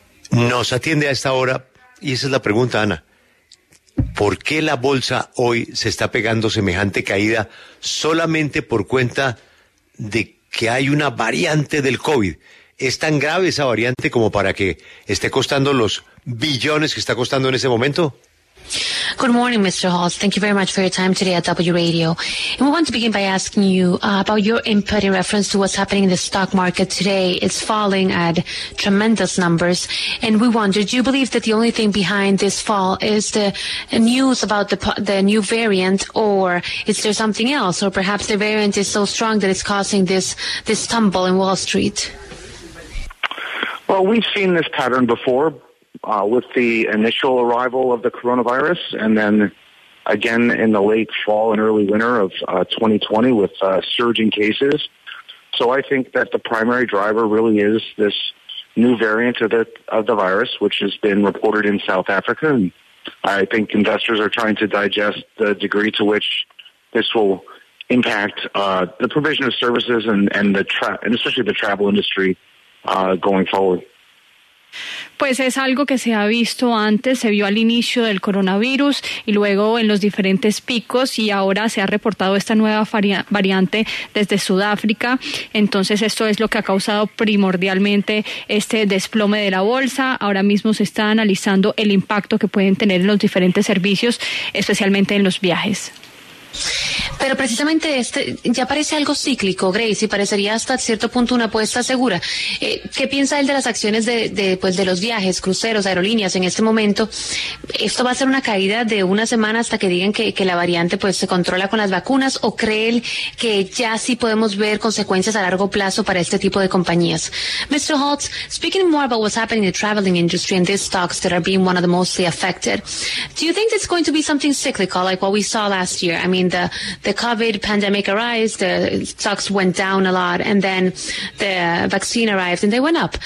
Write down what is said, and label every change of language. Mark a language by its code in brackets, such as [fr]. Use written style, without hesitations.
[es] Nos atiende a esta hora, y esa es la pregunta, Ana. ¿Por qué la bolsa hoy se está pegando semejante caída solamente por cuenta de que hay una variante del COVID? ¿Es tan grave esa variante como para que esté costando los billones que está costando en ese momento? [en] Good morning, Mr. Holtz. Thank you very much for your time today at W Radio. And we want to begin by asking you about your input in reference to what's happening in the stock market today. It's falling at tremendous numbers. And we wonder, do you believe that the only thing behind this fall is the news about the new variant, or is there something else? Or perhaps the variant is so strong that it's causing this tumble in Wall Street? Well, we've seen this pattern before. With the initial arrival of the coronavirus, and then again in the late fall and early winter of 2020 with surging cases. So I think that the primary driver really is this new variant of the virus, which has been reported in South Africa. And I think investors are trying to digest the degree to which this will impact the provision of services and especially the travel industry going forward. [es] Pues es algo que se ha visto antes, se vio al inicio del coronavirus y luego en los diferentes picos, y ahora se ha reportado esta nueva variante desde Sudáfrica. Entonces esto es lo que ha causado primordialmente este desplome de la bolsa. Ahora mismo se está analizando el impacto que pueden tener en los diferentes servicios, especialmente en los viajes. Pero precisamente este ya parece algo cíclico, Grace, y parecería hasta cierto punto una apuesta segura. ¿Qué piensa él de las acciones de los viajes, cruceros, aerolíneas en este momento? ¿Esto va a ser una caída de una semana hasta que digan que la variante pues se controla con las vacunas, o cree él que ya sí podemos ver consecuencias a largo plazo para este tipo de compañías? [en] Mr. Holtz, speaking more about what's happening in the traveling industry and these stocks that are being one of the mostly affected, do you think it's going to be something cyclical like what we saw last year? I mean, the COVID pandemic arose, the stocks went down a lot, and then the vaccine arrived and they went up.